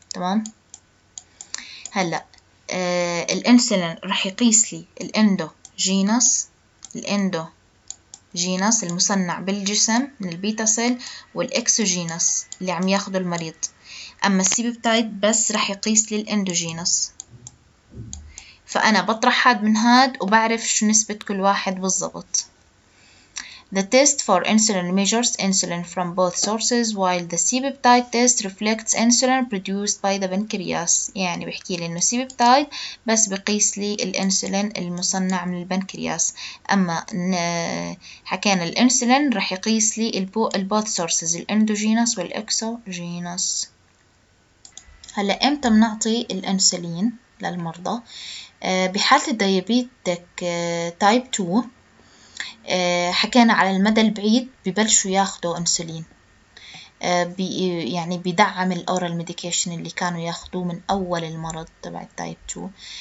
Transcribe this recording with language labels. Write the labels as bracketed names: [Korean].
[Arabic] تمام هلا الانسولين رح يقيس لي الاندوجينوس المصنع بالجسم من البيتا سيل والاكسوجينوس اللي عم ياخده المريض، اما السيبيبتايد بس رح يقيس لي الاندوجينوس. فانا بطرح هاد من هاد وبعرف شو نسبة كل واحد بالضبط. [English] The test for insulin measures insulin from both sources while the C-peptide test reflects insulin produced by the pancreas. [Arabic] يعني بحكي لي انه C-peptide بس بقيس لي الانسولين المصنع من البنكرياس، اما حكينا الانسولين رح يقيس لي [English] both sources [Arabic] الاندوجينوس والاكسوجينوس. هلا امتى بنعطي الانسولين للمرضى؟ بحالة الديابيتك تايب 2 حكينا على المدى البعيد ببلشوا ياخدوا انسولين، يعني بيدعم الاورال ميديكيشن اللي كانوا ياخدوه من اول المرض تبع التايب 2.